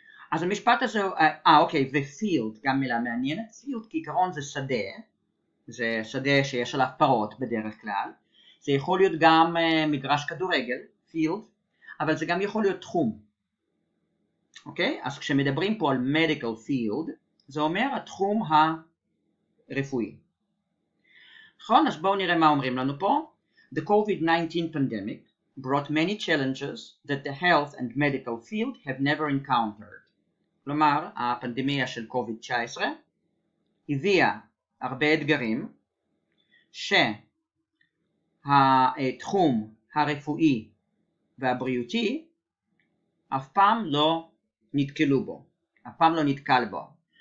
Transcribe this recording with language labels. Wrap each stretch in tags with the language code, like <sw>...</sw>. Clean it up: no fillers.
<he>אז המשפט הזה, אוקיי, ו-field, גם מילה מעניינת, field כעיקרון זה שדה, זה שדה שיש עליו פרות בדרך כלל, זה יכול להיות גם מגרש כדורגל, field, אבל זה גם יכול להיות תחום. אוקיי? אז כשמדברים פה על medical field, זה אומר התחום הרפואי. נכון? אז בואו נראה מה אומרים לנו פה.</he> <en>The COVID-19 pandemic brought many challenges that the health and medical field have never encountered.</en> <he>כלומר, הפנדמיה של COVID-19 הביאה הרבה אתגרים שהתחום הרפואי והבריאותי אף פעם לא נתקלו בו, אף פעם לא נתקל בו.</he>